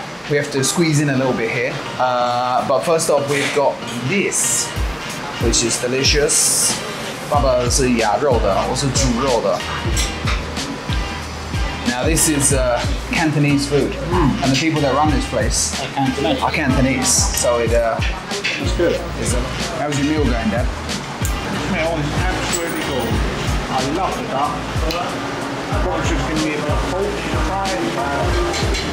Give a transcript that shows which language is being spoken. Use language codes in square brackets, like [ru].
[en] We have to squeeze in a little bit here, but first off, we've got this, which is delicious. [zh] 爸爸是鸭肉的，我是猪肉的。 [en] Now this is Cantonese food, and the people that run this place are Cantonese. So it, it's good. Is it? How's your meal going, Dad? Meal is absolutely gorgeous. I love the duck. Watch is going to be about 45 pounds.